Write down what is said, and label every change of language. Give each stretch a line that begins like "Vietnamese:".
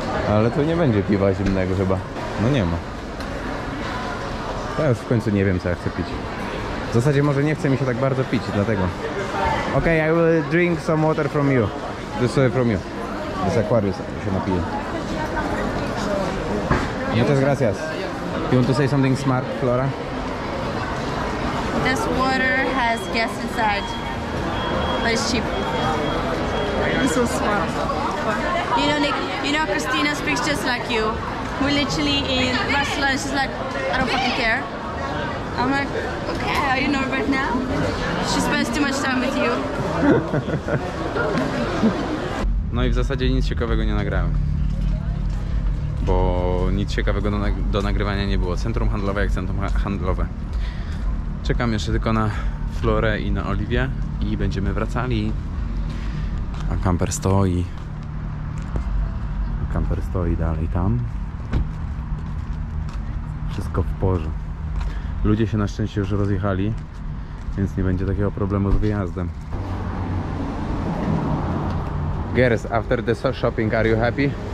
Polish: Ale to nie będzie piwa zimnego chyba. No nie ma. Ja już w końcu nie wiem, co ja chcę pić. W zasadzie może nie chce mi się tak bardzo pić, dlatego.
English: Okay, I will drink some water from you. This is from you. This
Polish: Aquarius się napije.
Spanish: Muchas gracias.
English: Do you want to say something smart, Flora? This water has gas inside. But it's cheap. It's so smart. You know, Nick, you know Christina speaks just like you. We're literally in Barcelona, she's like, I don't fucking care. I'm like, okay, are you nervous now? She spends too much time with you.
Polish: No i w zasadzie nic ciekawego nie nagrałem. Bo nic ciekawego do nagrywania nie było. Centrum handlowe jak centrum handlowe. Czekam jeszcze tylko na Florę i na Oliwię i będziemy wracali. A kamper stoi. A kamper stoi dalej tam. Wszystko w porze. Ludzie się na szczęście już rozjechali, więc nie będzie takiego problemu z wyjazdem.
English: Girls, after the shopping, are you happy?